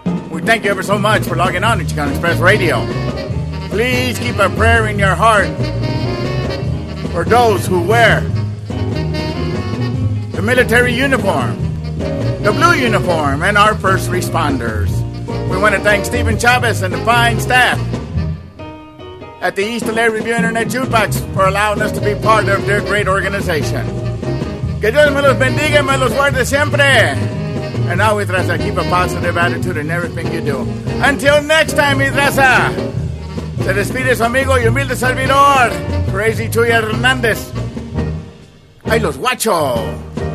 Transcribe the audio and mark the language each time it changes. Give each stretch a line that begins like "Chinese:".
English: We thank you ever so much for logging on to Chicano Express Radio. Please keep a prayer in your heart for those who wear the military uniform, the blue uniform, and our first responders. We want to thank Stephen Chavez and the fine staff at the East LA Review Internet Jukebox for allowing us to be part of their great organization.
Spanish: Que Dios me los bendiga y me los guarde siempre.
English: And now, mi raza, keep a positive attitude in everything you do. Until next time, mi raza.
Spanish: Se despide su amigo y humilde servidor, Crazy Chuy Hernández. ¡Ay, los guachos!